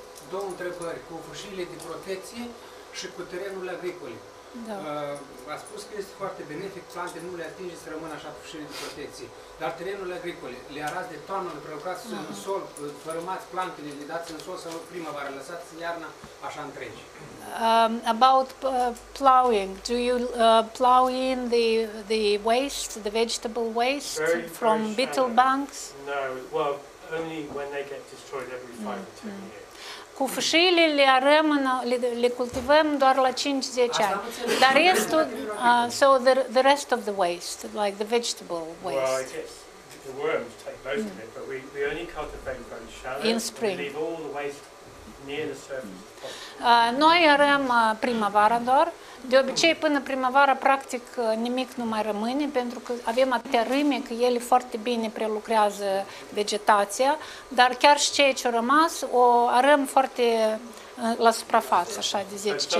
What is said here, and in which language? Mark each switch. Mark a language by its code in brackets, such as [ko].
[ro] Două întrebări cu fâșiile de protecție și cu terenul agricol. Da. A spus că este foarte benefic, plante nu le atinge să rămână așa fâșiile de protecție. Dar terenurile agricole, le arați de toamnă, le provocați în sol, fărâmați plantele, le dați în sol sau primăvară, lăsați iarna așa întregi. [en] About plowing, do you plow in the waste, the vegetable waste from beetle banks? No, well, only when they get destroyed every 5 or 10 years. [ro] Cu fâșiile le cultivăm doar la 5-10 ani. Dar restul, [en] so the rest of the waste, like the vegetable waste. Well, I guess the worms take most of it, but we only cultivate very shallow. In spring. We leave all the waste near the surface. [ro] Noi arăm primăvara doar. De obicei, până primăvara, practic, nimic nu mai rămâne, pentru că avem atâtea râme, că ele foarte bine prelucrează vegetația, dar chiar și ceea ce a rămas, o arăm foarte la suprafață, așa, de 10